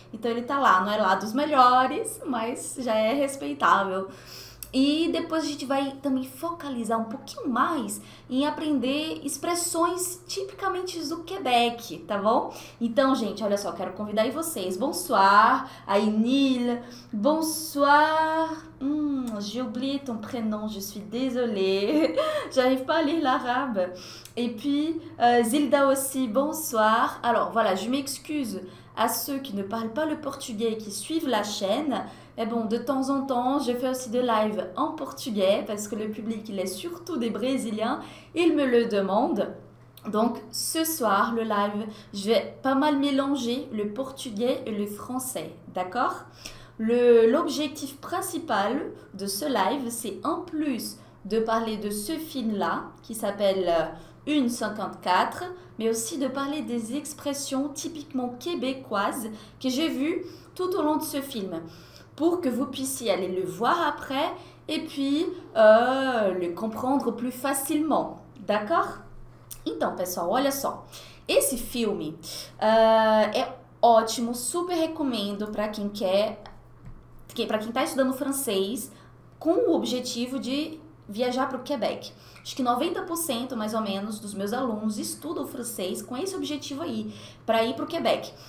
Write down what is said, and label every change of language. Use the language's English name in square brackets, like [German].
[Portuguese] Então ele tá lá, não é lá dos melhores, mas já é respeitável. E depois a gente vai também focalizar um pouquinho mais em aprender expressões tipicamente do Quebec, tá bom? Então, gente, olha só, quero convidar aí vocês. [French] Bonsoir, Aynil. Bonsoir. J'ai oublié ton prénom, je suis désolée. J'arrive pas à lire l'arabe. Et puis, Zilda aussi, bonsoir. Alors, voilà, je m'excuse à ceux qui ne parlent pas le portugais et qui suivent la chaîne. Mais bon, de temps en temps, je fais aussi des lives en portugais parce que le public, il est surtout des Brésiliens. Ils me le demandent. Donc, ce soir, le live, je vais pas mal mélanger le portugais et le français. D'accord? L'objectif principal de ce live, c'est en plus de parler de ce film-là, qui s'appelle 1h54, mais aussi de parler des expressions typiquement québécoises que j'ai vues tout au long de ce film, pour que vous puissiez aller le voir après et puis le comprendre plus facilement. [Portuguese] D'accord? Então, pessoal, olha só. Esse filme é ótimo, super recomendo para quem quer. Para quem está estudando francês com o objetivo de viajar para o Quebec. Acho que 90% mais ou menos dos meus alunos estudam francês com esse objetivo aí, para ir para o Quebec.